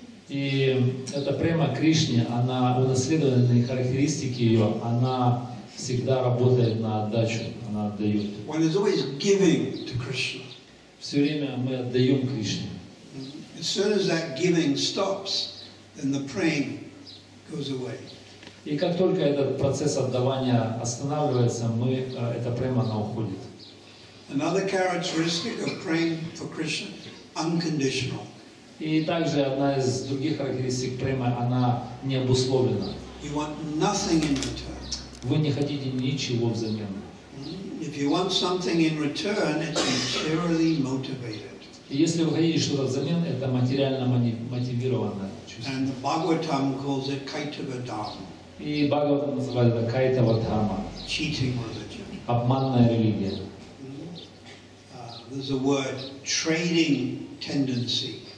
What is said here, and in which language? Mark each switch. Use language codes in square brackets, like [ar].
[ru] И эта према Кришне, она унаследованные характеристики ее, она всегда работает на отдачу, она отдает. [en] One is always giving to Krishna. [ru] Все время мы отдаем Кришне. [en] As soon as that giving stops, then the praying goes away. [ru] И как только этот процесс отдавания останавливается, мы эта према она уходит. [en] Another characteristic of praying for Krishna, unconditional. [ru] И также одна из других характеристик премы, она необусловлена. [en] You want nothing in return. [ru] Вы не хотите ничего взамен. [en] If you want something in return, it's materially motivated. [ru] И если вы хотите что-то взамен, это материально мотивированное чувство. [en] And the Bhagavatam calls it Kaitava Dharma. [ru] И Бхагаватам называют это Кайтава Дхарма. [en] Cheating religion. [ru] Обманная религия. [en] There's a word trading tendency.